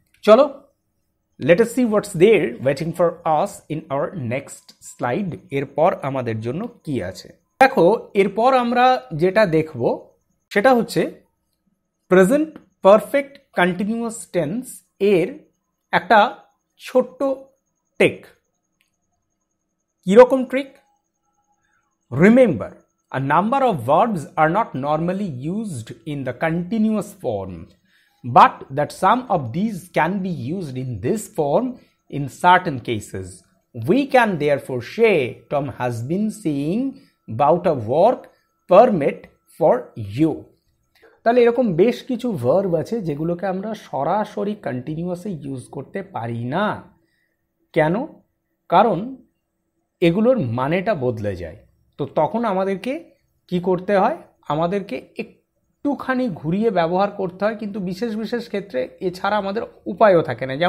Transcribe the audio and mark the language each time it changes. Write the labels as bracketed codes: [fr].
[bn] চলো [en] let us see what's there waiting for us in our next slide, [bn] এরপর আমাদের জন্য কি আছে। দেখো এরপর আমরা যেটা দেখব সেটা হচ্ছে প্রেজেন্ট পারফেক্ট কন্টিনিউয়াস টেন্স এর একটা ছোট্ট ট্রিক। কীরকম trick? [en] Remember A number of verbs are not normally used in the continuous form, but that some of these can be used in this form in certain cases. We can therefore say Tom has been seeing about a work permit for you. [bn] তাহলে এরকম বেশ কিছু verb আছে যেগুলোকে আমরা সরাসরি continuously use করতে পারি না। কেন? কারণ এগুলোর মানেটা বদলে যায়। তো তখন আমাদেরকে কি করতে হয়, আমাদেরকে একটুখানি ঘুরিয়ে ব্যবহার করতে হয়, কিন্তু বিশেষ বিশেষ ক্ষেত্রে এছাড়া আমাদের উপায়ও থাকে না।